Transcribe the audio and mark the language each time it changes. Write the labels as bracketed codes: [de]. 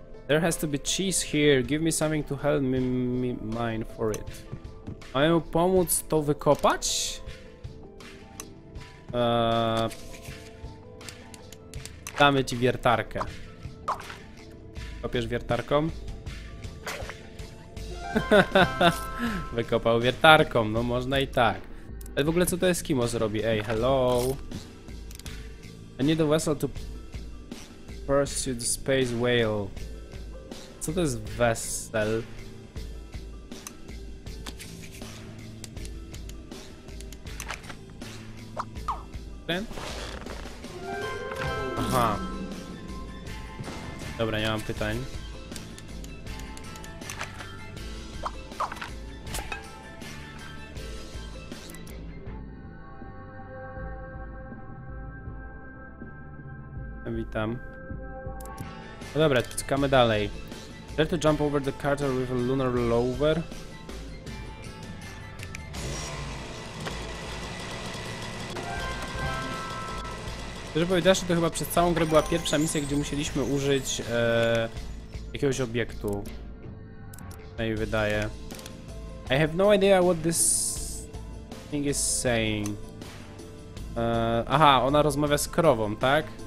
[en] There has to be cheese here. Give me something to help me mine for it. [pl] Mamy mu pomóc to wykopać? Damy ci wiertarkę. Kopiesz wiertarką? Wykopał wiertarką. No można i tak. Ale w ogóle co to jest Kimo zrobi? Ej, hello. [en] I need a vessel to pursue the space whale. [pl] Co to jest vessel? Ten? Aha. Dobra, nie mam pytań. witam. No dobra, czekamy dalej. [en] Dare to jump over the Carter with a lunar rover? [pl] Szczerze powiedziawszy, że to chyba przez całą grę była pierwsza misja, gdzie musieliśmy użyć jakiegoś obiektu. Tak mi się wydaje. [en] I have no idea what this thing is saying. [pl] Aha, ona rozmawia z krową, tak?